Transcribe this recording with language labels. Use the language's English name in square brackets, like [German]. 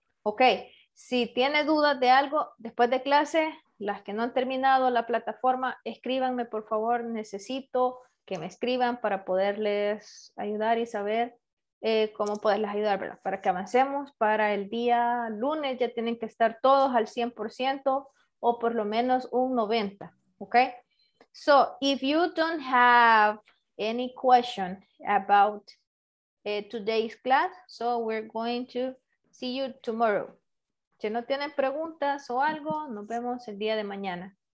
[Spanish] Ok, si tiene dudas de algo, después de clase, las que no han terminado la plataforma, escríbanme, por favor, necesito que me escriban para poderles ayudar y saber cómo poderles ayudar, ¿verdad? Para que avancemos para el día lunes, ya tienen que estar todos al 100% o por lo menos un 90%, ¿ok? [English] So, if you don't have any question about today's class, so we're going to see you tomorrow. [Spanish] Si no tienen preguntas o algo, nos vemos el día de mañana.